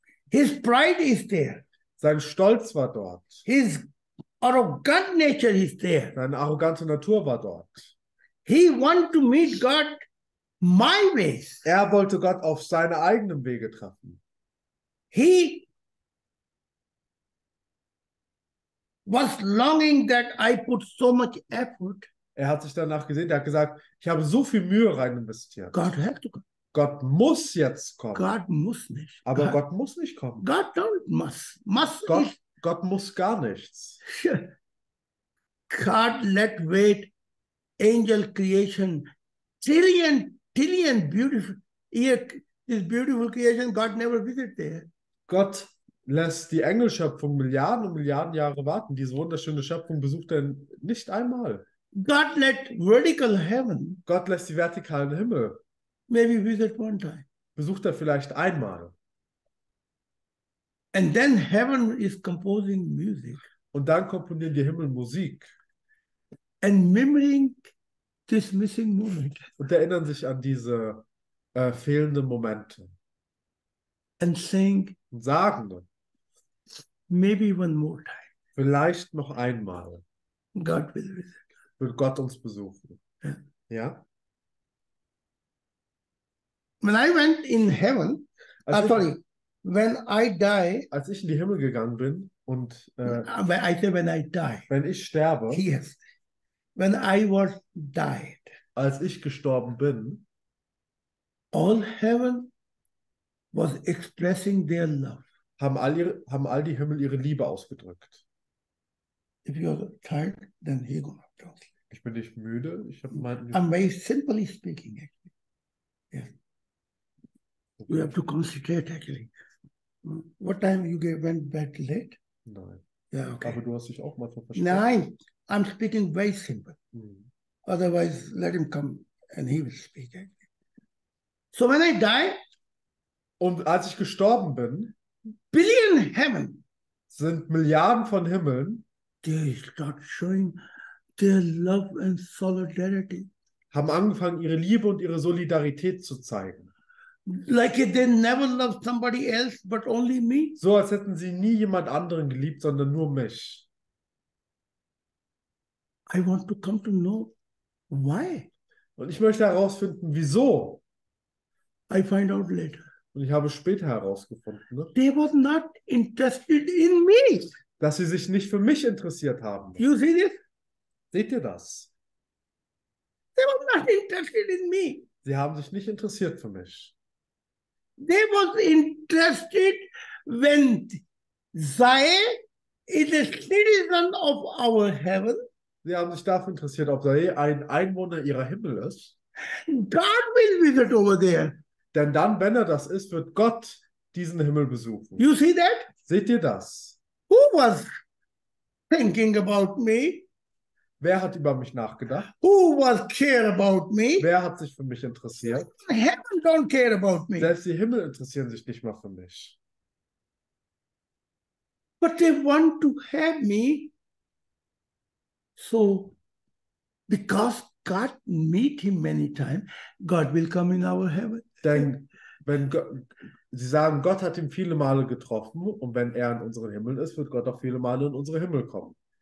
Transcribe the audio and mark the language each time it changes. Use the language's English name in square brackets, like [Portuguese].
[English] His pride is there. [German] Sein Stolz war dort. [English] His arrogant nature is there. [German] Seine arrogante Natur war dort. [English] He want to meet God my ways. [German] Er wollte Gott auf seine eigenen Wege treffen. [English] He was longing that I put so much effort. [German] Er hat sich danach gesehen, er hat gesagt, ich habe so viel Mühe rein investiert. [English] God had to come. [German] Gott muss jetzt kommen. God muss nicht. Aber Gott muss nicht kommen. [English] God don't must. Must [German] Gott, nicht. Gott muss gar nichts. [English] God let wait angel creation trillion beautiful this beautiful creation God never visited there. [German] Gott lässt die Engelschöpfung Milliarden und Milliarden Jahre warten. Diese wunderschöne Schöpfung besucht er nicht einmal. [English] God let vertical heaven. [German] Gott lässt die vertikalen Himmel. [English] Maybe visit one time. [German] Besucht er vielleicht einmal. [English] And then heaven is composing music. [German] Und dann komponieren die Himmel Musik. [English] And mimicking this missing moment. [German] Und erinnern sich an diese fehlenden Momente. [English] And sing. [German] Und sagen. [English] Maybe one more time. [German] Vielleicht noch einmal. [English] God will visit. [German] Will Gott uns besuchen. [English] Yeah. [German] Ja. [English] When I went in heaven, when I die, [German] als ich in die Himmel gegangen bin und wenn ich sterbe, [English] yes, when I was died, [German] als ich gestorben bin, [English] all heaven was expressing their love. [German] Haben all die Himmel ihre Liebe ausgedrückt. [English] If you're tired, then he go up to sleep. [German] Ich bin nicht müde, ich habe [English] I'm very simply speaking, actually. Yes. Okay. You have to concentrate, actually. What time you went back late? [German] Nein. [English] Yeah, okay. [German] Aber du hast dich auch mal verstanden. Nein, [English] I'm speaking very simple. Mm. Otherwise, let him come and he will speak. So when I die, [German] und als ich gestorben bin, [English] billion heaven, [German] sind Milliarden von Himmeln, [English] they start showing their love and solidarity. [German] Haben angefangen, ihre Liebe und ihre Solidarität zu zeigen. [English] Like they never loved somebody else, but only me. [German] So als hätten sie nie jemand anderen geliebt, sondern nur mich. [English] I want to come to know why. [German] Und ich möchte herausfinden, wieso. [English] I find out later. [German] Und ich habe später herausgefunden. Ne? [English] They were not interested in me. [German] Dass sie sich nicht für mich interessiert haben. [English] You see this? [German] Seht ihr das? [English] They were not interested in me. [German] Sie haben sich nicht interessiert für mich. [English] They was interested when Zahe is a citizen of our heaven. [German] Sie haben sich dafür interessiert, ob Zahe ein Einwohner ihrer Himmel ist. [English] God will visit over there. [German] Denn dann, wenn er das ist, wird Gott diesen Himmel besuchen. [English] You see that? [German] Seht ihr das? [English] Who was thinking about me? [German] Wer hat über mich nachgedacht? [English] Who was care about me? [German] Wer hat sich für mich interessiert? [English] Heaven don't care about me. [German] Selbst die Himmel interessieren sich nicht mehr für mich. [English] But they want to have me. So, because God meet him many times, God will come in our heaven. [German] Sie sagen, Gott hat ihn viele Male getroffen und wenn er in unseren Himmel ist, wird Gott auch viele Male in unsere Himmel kommen.